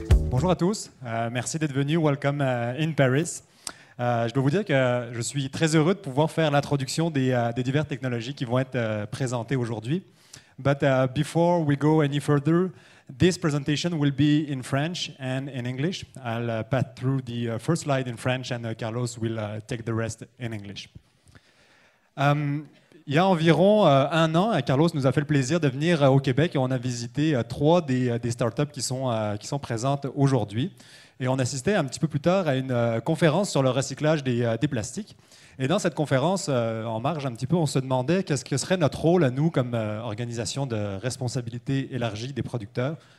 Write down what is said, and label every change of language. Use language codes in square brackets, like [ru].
[fr] Bonjour à tous, merci d'être venus, [en] welcome in Paris. [fr] Je dois vous dire que je suis très heureux de pouvoir faire l'introduction des diverses technologies qui vont être présentées aujourd'hui. [en] But before we go any further, this presentation will be in French and in English. I'll pass through the first slide in French and Carlos will take the rest in English. [fr] Il y a environ un an, Carlos nous a fait le plaisir de venir au Québec et on a visité trois des startups qui sont présentes aujourd'hui. Et on assistait un petit peu plus tard à une conférence sur le recyclage des plastiques. Et dans cette conférence, en marge un petit peu, on se demandait qu'est-ce que serait notre rôle à nous comme organisation de responsabilité élargie des producteurs.